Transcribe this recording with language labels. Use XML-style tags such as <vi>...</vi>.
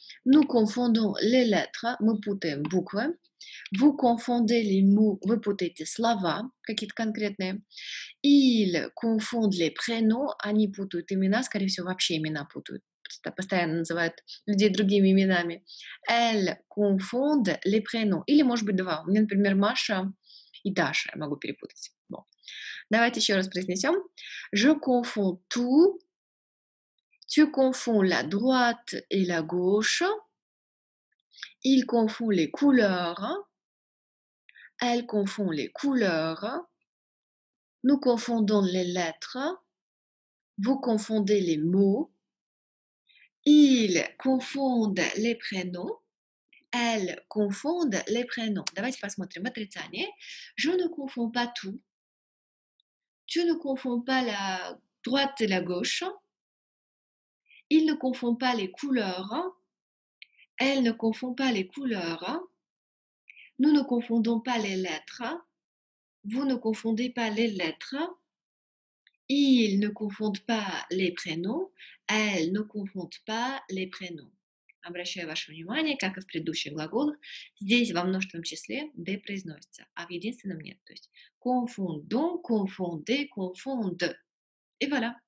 <fr>Nous confondons les lettres.</fr> <ru>Мы путаем буквы.</ru> <fr>Vous confondez les mots.</fr> <ru>Вы путаете слова какие-то конкретные.</ru> <fr>Ils confondent les prénoms.</fr> <ru>Они путают имена. Скорее всего, вообще имена путают. Постоянно называют людей другими именами.</ru> <fr>Elles confondent les prénoms.</fr> <ru>Или, может быть, два. У меня, например, Маша и Даша. Я могу перепутать. Bon. Давайте еще раз произнесем.</ru> <fr>Je confonds tout. Tu confonds la droite et la gauche. Il confond les couleurs. Elle confond les couleurs. Nous confondons les lettres. Vous confondez les mots. Ils confondent les prénoms. Elles confondent les prénoms.</fr> <ru>Давайте посмотрим. Отрицание.</ru> <fr>Je ne confonds pas tout. Tu ne confonds pas la droite et la gauche. Il ne confond pas les couleurs. Elle ne confond pas les couleurs. Nous ne confondons pas les lettres. Vous ne confondez pas les lettres. Ils ne confondent pas les prénoms. Elles ne confondent pas les prénoms.</fr> <ru>Обращаю ваше внимание, как и в предыдущих глаголах, здесь во множественном числе «d» произносится, а в единственном нет. То есть «confondons», «confondez», «confondent». И voilà.</ru>